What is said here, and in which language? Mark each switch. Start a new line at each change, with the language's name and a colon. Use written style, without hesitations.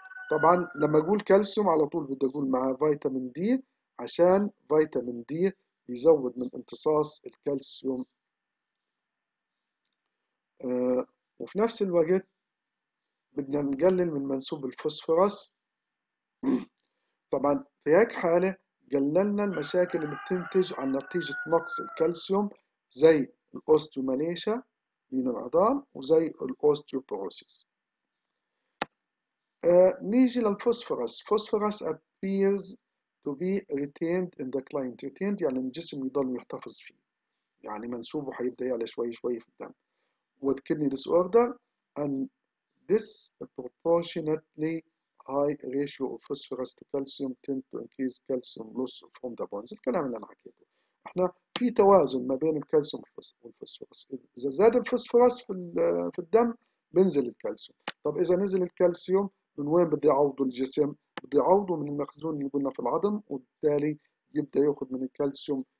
Arabic: طبعا لما اقول كالسيوم على طول بدي اقول مع فيتامين دي، عشان فيتامين دي يزود من امتصاص الكالسيوم، وفي نفس الوقت بدنا نقلل من منسوب الفوسفورس. طبعا في هيك حالة قللنا المشاكل اللي بتنتج عن نتيجة نقص الكالسيوم زي الأوستيوماليشا من العظام وزي الأوستيوبروسيس. نيجي للفوسفورس.
English: Phosphorus appears to be retained in the client.
Arabic: retained يعني الجسم يضل يحتفظ فيه، يعني منسوبه حيبدأ يعلى شوي شوي في الدم.
English: with kidney disorder and disproportionately high ratio of phosphorus to calcium tend to increase calcium loss from the bones.
Arabic: الكلام اللي انا حكيته، احنا في توازن ما بين الكالسيوم والفوسفورس، اذا زاد الفوسفورس في الدم بنزل الكالسيوم، طب اذا نزل الكالسيوم من وين بده يعوضه الجسم؟ بده يعوضه من المخزون اللي قلنا في العظم، وبالتالي يبدا ياخذ من الكالسيوم